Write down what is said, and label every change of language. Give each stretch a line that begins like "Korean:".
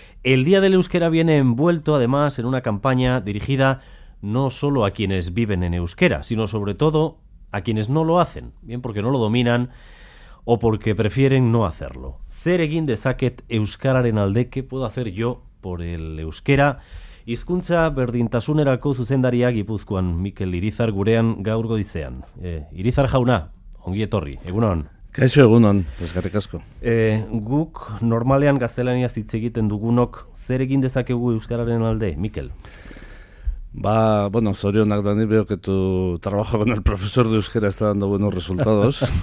Spanish: El Día del Euskera viene envuelto, además, en una campaña dirigida no solo a quienes viven en euskera, sino sobre todo a quienes no lo hacen, bien porque no lo dominan o porque prefieren no hacerlo.
Basque: Zer egin dezaket euskararen alde,
Spanish: ¿qué puedo hacer yo por el euskera?
Basque: Hizkuntza berdintasunerako zuzendaria Gipuzkoan, Mikel Irizar gurean gaur goizean. Irizar jauna, ongi etorri, egunon. Kaixo, egunon, eskerrik asko. Guk normalean gaztelaniaz hitz egiten dugunok, zer egin dezakegu euskararen alde, Mikel?
Spanish: Va, bueno, Sorio Nagdani, veo que tu trabajo con el profesor de euskera está dando buenos resultados.